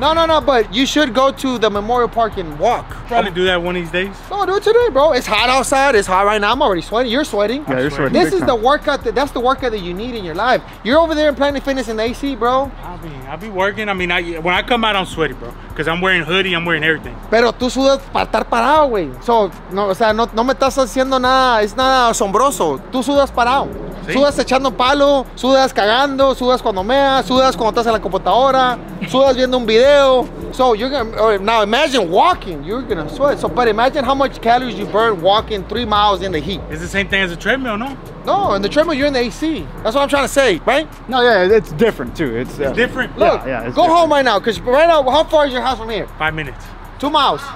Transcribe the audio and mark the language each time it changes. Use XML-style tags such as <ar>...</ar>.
<en>No, but you should go to the Memorial Park and walk. Probably do that one of these days. No, do it today, bro. It's hot outside. It's hot right now. I'm already sweating. You're sweating. Yeah, you're sweating. This is the workout. That's the workout that you need in your life. You're over there in Planet Fitness in the AC, bro. I'll be working. I mean, when I come out, I'm sweaty, bro. Because I'm wearing hoodie. I'm wearing everything.</en> <es>Pero tú sudas para estar parado, güey. So, no, o sea, no, no me estás haciendo nada. Es nada asombroso. Tú sudas parado. ¿Sí? Sudas echando palo, sudas cagando, sudas cuando meas, sudas cuando estás en la computadora, sudas viendo un video.</es> <en>So you're gonna, now imagine walking, you're gonna sweat. So, but imagine how much calories you burn walking 3 miles in the heat. It's the same thing as a treadmill, no? No, in the treadmill, you're in the AC. That's what I'm trying to say, right? No, yeah, it's different too. It's different? Look, yeah, it's go different. Home right now, because right now, how far is your house from here? 5 minutes. 2 miles?</en>